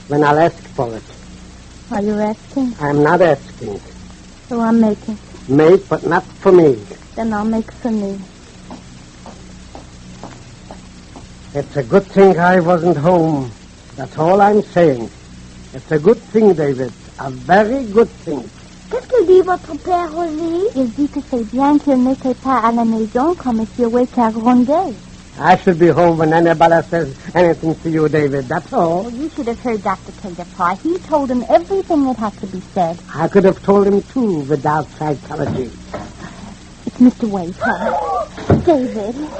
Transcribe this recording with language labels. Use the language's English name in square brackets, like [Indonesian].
[English] When I'll ask for it. Are you asking? I'm not asking. So I'm making. Make, but not for me. Then I'll make for me. It's a good thing I wasn't home. That's all I'm saying. It's a good thing, David. A very good thing. [French] Qu'est-ce que dit votre père, Rosie? Il dit que c'est bien qu'il ne soit pas à la maison quand Monsieur Way t'a grondé. [English] I should be home when anybody says anything to you, David. That's all. Well, you should have heard Dr. Cater, Pa. He told him everything that had to be said. I could have told him, too, without psychology. It's Mr. Way, Pa. David.